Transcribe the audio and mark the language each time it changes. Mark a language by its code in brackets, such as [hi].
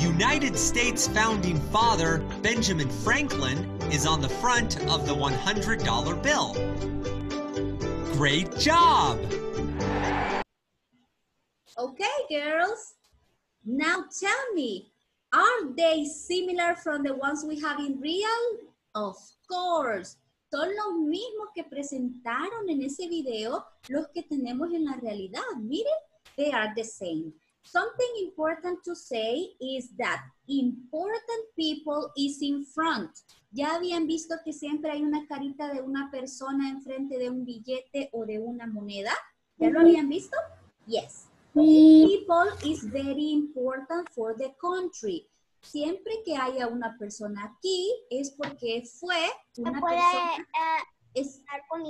[en] United States Founding Father Benjamin Franklin is on the front of the $100 bill. Great job! Okay, girls. Now tell me, are they similar from the ones we have in real? Of course. [es] Son los mismos que presentaron en ese video los que tenemos en la realidad. [en] Miren, they are the same. Something important to say is that important people is in front. [es] Ya habían visto que siempre hay una carita de una persona enfrente de un billete o de una moneda. ¿Ya lo habían visto? Yes. [en] People is very important for the country. [es] Siempre que haya una persona aquí es porque fue una persona.